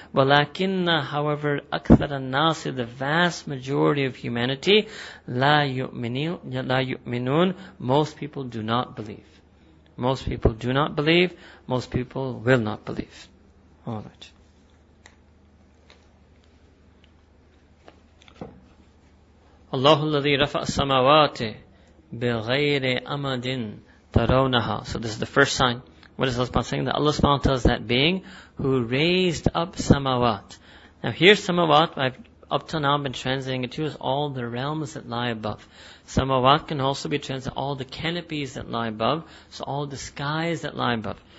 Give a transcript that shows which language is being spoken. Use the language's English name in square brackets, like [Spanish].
[Arabic] وَلَكِنَّ [English] however, [Arabic] أَكْثَرَ النَّاسِ, [English] the vast majority of humanity, [Arabic] لا يؤمنون, [English] most people do not believe. Most people do not believe, most people will not believe. All right. [Arabic] الله الذي رفع السماوات بغير أمد ترونها. [English] So this is the first sign. What is Allah SWT saying? That Allah SWT is that being who raised up samawat. Now here samawat, I've up till now been translating it to as all the realms that lie above. Samawat can also be translated all the canopies that lie above, so all the skies that lie above.